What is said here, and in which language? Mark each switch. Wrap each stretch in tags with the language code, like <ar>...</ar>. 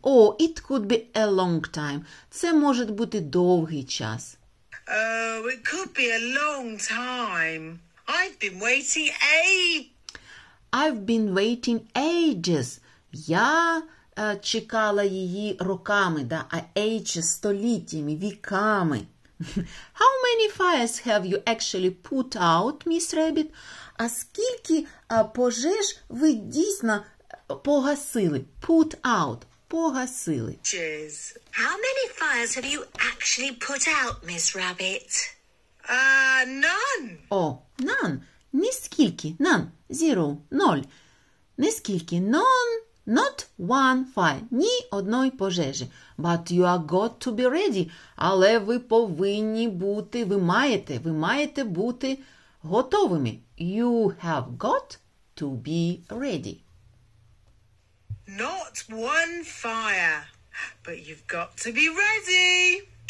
<en>Oh, it could be a long time.</en> <uk>Це може бути довгий час.</uk> <en>Oh, it could be a long time. I've been waiting ages. I've been waiting ages.</en> <uk>Я чекала її роками, да, а ages століттями, віками.</uk> <en>How many fires have you actually put out, Miss Rabbit?</en> <uk>А скільки пожеж ви дійсно погасили?</uk> <en>Put out.</en> <uk>Погасили.</uk> <en>Cheers. How many fires have you actually put out, Miss Rabbit? None. Oh, none.</en> <uk>Ніскільки.</uk> <en>None. Zero. Ноль. Ніскільки. None. Not one fire.</en> <uk>Ні одної пожежі.</uk> <en>But you are got to be ready.</en> <uk>Але ви повинні бути, ви маєте бути готовими.</uk> <en>You have got to be ready. Not one fire, but you've got to be ready.</en>